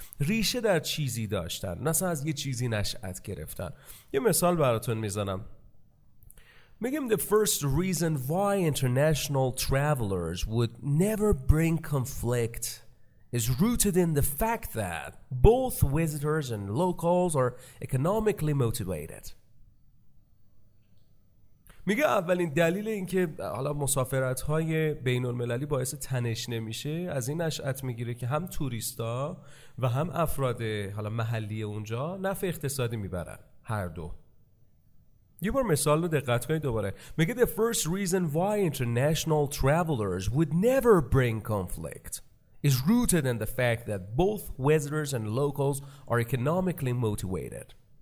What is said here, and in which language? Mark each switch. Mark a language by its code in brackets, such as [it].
[fa] ریشه در چیزی داشتن، مثلا از یه چیزی نشأت گرفتن. یه مثال براتون میزنم. میگم [en] the first reason why international travelers would never bring conflict is rooted in the fact that both visitors and locals are economically motivated. [fa] میگه اولین دلیل اینکه حالا مسافرت‌های بین‌المللی باعث تنش نمیشه از این نشأت میگیره که هم توریستا و هم افراد حالا محلی اونجا نفع اقتصادی میبرن هر دو. یه بار مثال رو دقت کنید دوباره. میگه [en] the first reason why international travelers would never bring conflict is rooted in the fact that both visitors and locals are economically motivated.